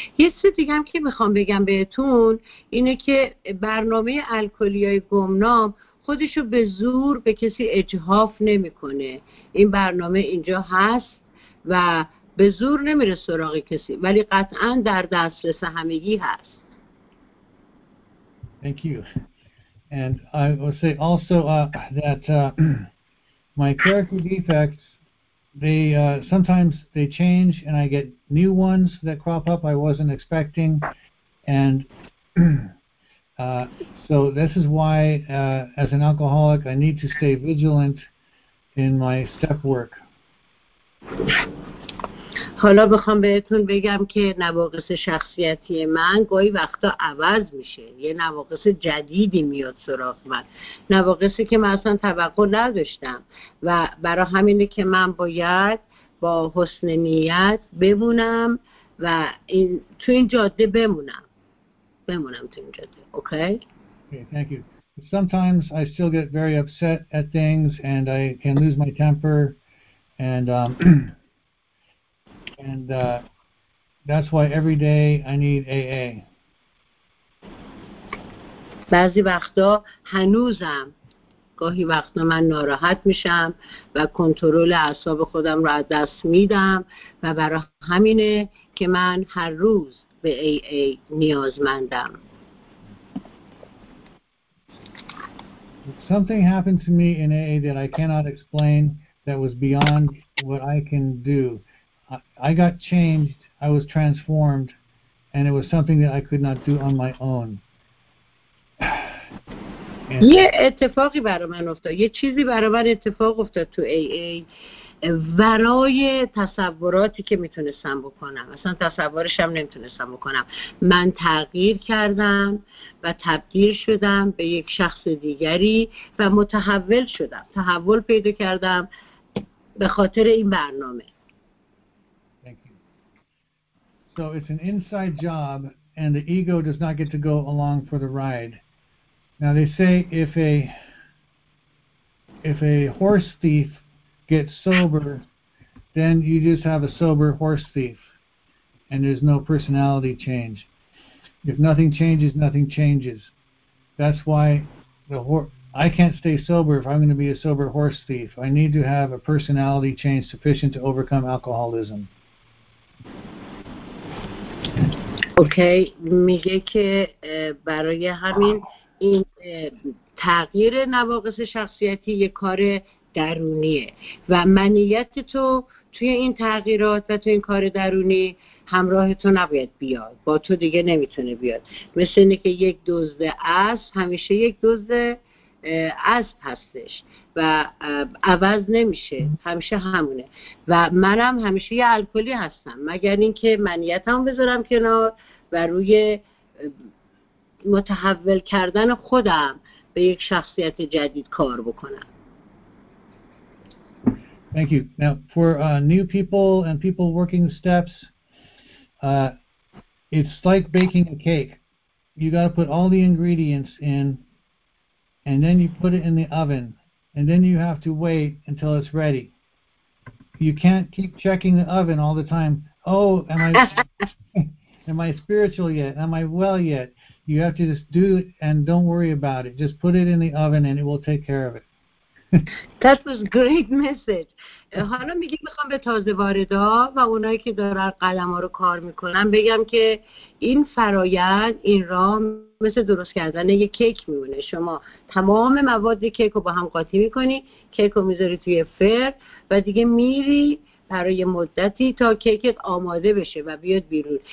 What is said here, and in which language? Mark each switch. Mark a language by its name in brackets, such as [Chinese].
[Persian] یه چیز دیگه هم که میخوام بگم بهتون اینه که برنامه الکلی‌های گمنام خودشو به زور به کسی اجحاف نمی کنه. این برنامه اینجا هست و به زور نمیره سراغ کسی ولی قطعا در دسترس همگی هست. [English] Thank you. And I will say also that my character defects, they sometimes they change and I get new ones that crop up I wasn't expecting. And so this is why as an alcoholic I need to stay vigilant in my step work. [Persian] حالا بخوام بهتون بگم که نواقص شخصیتی من گاهی وقتا عوض میشه، یه نواقص جدیدی میاد سراغ من، نواقصی که من اصلا توقع نداشتم و برای همینه که من باید با حسن نیت بمونم و این تو این جاده بمونم تو این جاده. اوکی [English] okay, thank you. Sometimes I still get very upset at things and I can lose my temper and and that's why every day I need AA. [Persian] بعضی وقتا هنوزم گاهی وقتا من ناراحت میشم و کنترل اعصاب خودم رو از دست میدم و برای همینه که من هر روز به AA نیازمندم. [English] Something happened to me in AA that I cannot explain that was beyond what I can do. I got changed, I was transformed, and it was something that I could not do on my own. [Persian] یه اتفاقی برای من افتاد، یه چیزی برای من اتفاق افتاد تو AA ورای تصوراتی که میتونستم بکنم، اصلا تصورشم نمیتونستم بکنم. من تغییر کردم و تبدیل شدم به یک شخص دیگری و متحول شدم، تحول پیدا کردم به خاطر این برنامه. [English] So it's an inside job and the ego does not get to go along for the ride. Now they say if a horse thief gets sober, then you just have a sober horse thief and there's no personality change. If nothing changes, nothing changes. That's why I can't stay sober if I'm going to be a sober horse thief. I need to have a personality change sufficient to overcome alcoholism. [Persian] اوکی میگه که برای همین این تغییر نواقص شخصیتی یه کار درونیه و منیت تو توی این تغییرات و توی این کار درونی همراه تو نباید بیاد، با تو دیگه نمیتونه بیاد، مثل اینه که یک دزد اسب همیشه یک دزد اسب هستش و عوض نمیشه، همیشه همونه و منم همیشه یه الکلی هستم، مگر اینکه منیتمو بذارم کنار و روی متحول کردن خودم به یک شخصیت جدید کار بکنم. [English] Thank you. Now for new people and people working steps, it's like baking a cake. You got to put all the ingredients in and then you put it in the oven and then you have to wait until it's ready. You can't keep checking the oven all the time. Oh, Am I spiritual yet? Am I well yet? You have to just do it and don't worry about it. Just put it in the oven and it will take care of it. That was a great message. [Persian] حالا میگه میخوام به تازه واردا و اونایی که دارن قلم ها رو کار میکنن بگم که این فرایند، این راه مثل درست کردن یک کیک میمونه. شما تمام مواد کیک رو با هم قاطی میکنی، کیک رو میذاری توی فر و دیگه میری برای مدتی تا کیکت آماده بشه و بیاد بیرون.